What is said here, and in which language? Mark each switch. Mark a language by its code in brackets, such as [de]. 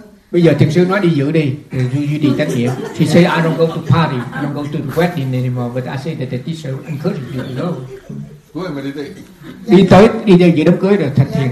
[vi] Bây giờ thực sự nói đi dự đi, duy trì trách nhiệm. [en] She say I don't go to party, I don't go to the wedding anymore, but I say that the teacher encourages you to go. Go and meditate. [vi] Đi tới đi dự đám cưới rồi thật thiệt